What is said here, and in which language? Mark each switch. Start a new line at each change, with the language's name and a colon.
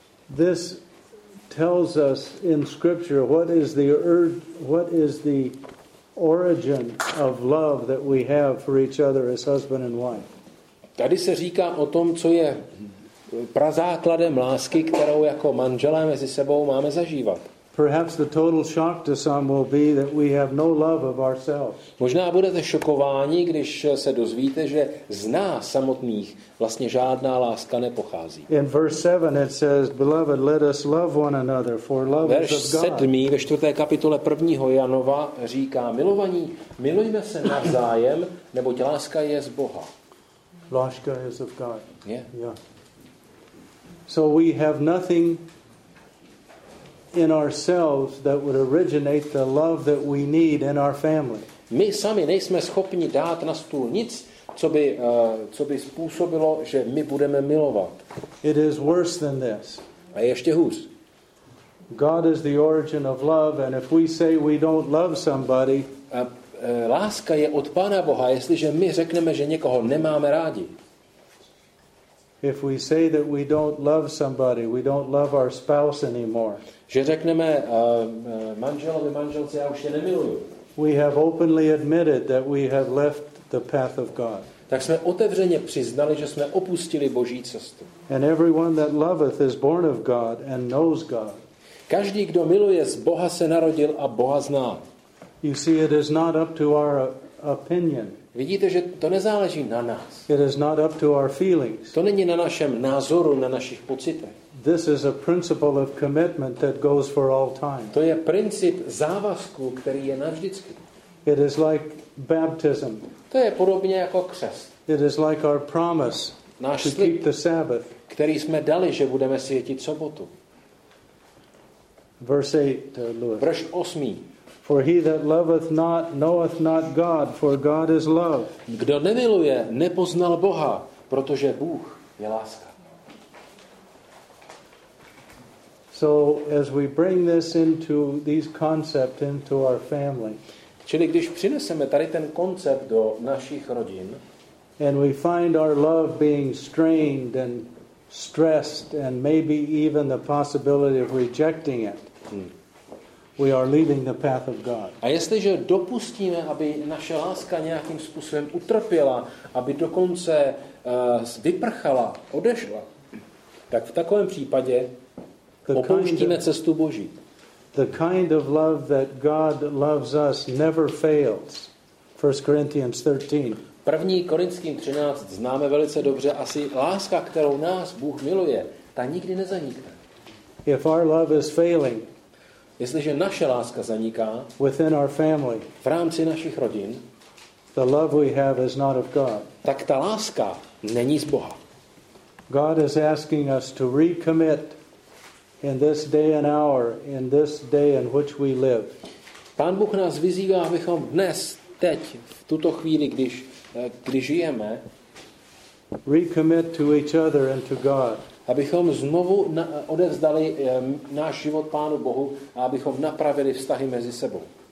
English: this tells us in Scripture what is the origin of love that we have for each other as husband and wife.
Czech: Tady se říká o tom, co je prazákladem lásky, kterou jako manželé mezi sebou máme zažívat.
English: Perhaps the total shock to some will be that we have no love of ourselves.
Czech: Možná budete šokováni, když se dozvíte, že z nás samotných vlastně žádná láska nepochází.
English: In verse 7 it says, beloved, let us love one another, for love is of God.
Czech: Sedmý, ve 4. kapitole 1. Janova říká, milovaní, milujme se navzájem, neboť láska je z Boha. Láska je z God. Yeah.
English: So we have nothing in ourselves that would originate the love that we need in our family.
Czech: My sami nejsme schopni dát na stůl nic, co by způsobilo, že my budeme milovat.
English: It is worse than this.
Czech: A ještě hůř.
English: God is the origin of love, and if we say we don't love somebody,
Czech: láska je od Pána Boha, jestliže my řekneme, že někoho nemáme rádi.
English: If we say that we don't love somebody, we don't love our spouse anymore.
Czech: Že řekneme manželovi, manželce, já už je nemiluju.
English: We have openly admitted that we have left the path of God.
Czech: Tak jsme otevřeně přiznali, že jsme opustili Boží cestu.
English: And everyone that loveth is born of God and knows God.
Czech: Každý, kdo miluje, z Boha se narodil a Boha zná.
English: You see, it is not up to our opinion.
Czech: Vidíte, že to nezáleží na nás.
English: It is not up to our feelings.
Czech: To není na našem názoru, na našich pocitech.
English: This is a principle of commitment that goes for all time.
Czech: To je princip závazku, který je navždycky.
English: It is like baptism.
Czech: To je podobně jako křest.
English: It is like our promise
Czech: náš
English: to
Czech: slib,
English: keep the Sabbath.
Czech: Který jsme dali, že budeme světit sobotu.
English: Verse 8.
Czech: Verš 8.
English: For he that loveth not knoweth not God, for God is love.
Czech: Kdo nemiluje, nepoznal Boha, protože Bůh je láska.
English: So as we bring this into these concept into our family.
Czech: Čili když přineseme tady ten koncept do našich rodin,
English: and we find our love being strained and stressed and maybe even the possibility of rejecting it. We are leaving the path of God.
Czech: A jestliže dopustíme, aby naše láska nějakým způsobem utrpěla, aby dokonce vyprchala, odešla, tak v takovém případě opouštíme cestu Boží.
English: The kind of love that God loves us never fails. 1 Corinthians 13. 1.
Czech: Korinským 13 známe velice dobře, asi láska, kterou nás Bůh miluje, ta nikdy nezanikne.
English: If our love is failing,
Czech: jestliže naše láska zaniká
English: within our family,
Czech: v rámci našich rodin,
English: the love we have is not of God.
Czech: Tak ta láska není z Boha.
English: God is asking us to recommit in this day and hour, in this day in which we live.
Czech: Pán Bůh nás vyzývá, abychom dnes, teď, v tuto chvíli, když žijeme,
English: recommit to each other and to God.
Czech: Abychom znovu odevzdali náš život Pánu Bohu a abychom napravili vztahy mezi sebou.